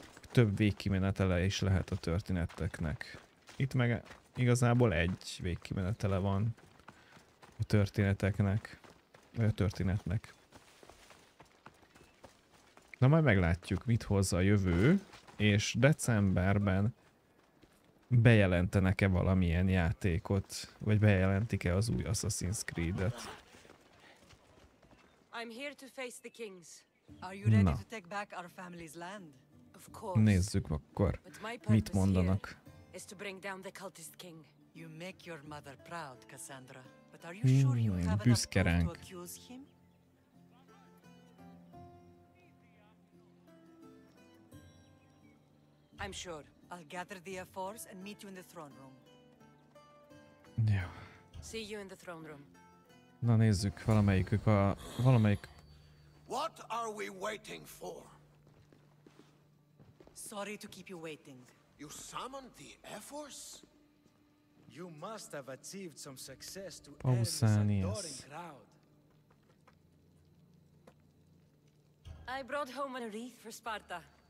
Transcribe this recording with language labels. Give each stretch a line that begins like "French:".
Hungarian: Több végkimenetele is lehet a történeteknek. Itt meg igazából egy végkimenetele van a történeteknek, vagy a történetnek. Na majd meglátjuk, mit hozza a jövő, és decemberben bejelentenek-e valamilyen játékot, vagy bejelentik-e az új Assassin's Creed-et.
English: I'm here to face the kings. Are you ready to take back our family's land? Of course.
Hungarian: Nézzük akkor, mit mondanak.
English: Is to bring down the cultist king. You make your mother proud, Cassandra.
Hungarian: Büszke ránk.
English: I'm sure. I'll gather the force and meet you in the throne room. Yeah. See you in the throne room.
Hungarian: Na nézzük, valamelyikük a valamelyik.
English: What are we waiting for? Sorry to keep you waiting. You summoned the air force? You must have achieved some success to Pausanias. Earn this adoring crowd. I brought home a wreath for Sparta.